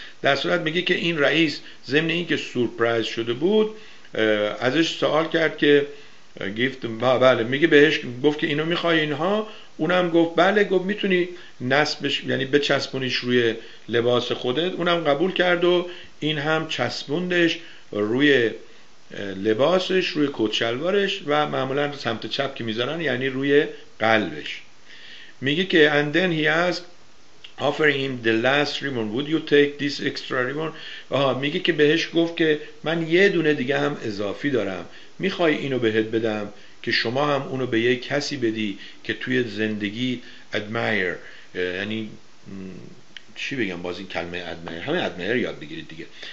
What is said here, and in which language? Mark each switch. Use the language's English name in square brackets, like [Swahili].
[Persian] در صورت میگه که این رئیس ضمن این که سورپرایز شده بود ازش سوال کرد که گیفت، بله، میگه بهش گفت که اینو میخوای اینها، اونم گفت بله، گفت میتونی نصبش، یعنی بچسبونیش روی لباس خودت، اونم قبول کرد و این هم چسبوندش روی لباسش، روی کوچلوارش، و معمولا سمت چپ که میذارن یعنی روی قلبش. میگه که [English] and then he asked offering him the last ribbon, would you take this extra ribbon. [Persian] آها، میگه که بهش گفت که من یه دونه دیگه هم اضافی دارم، میخوای اینو بهت بدم که شما هم اونو به یه کسی بدی که توی زندگی admire، یعنی چی بگم، باز این کلمه admire، همه admire یاد بگیرید دیگه.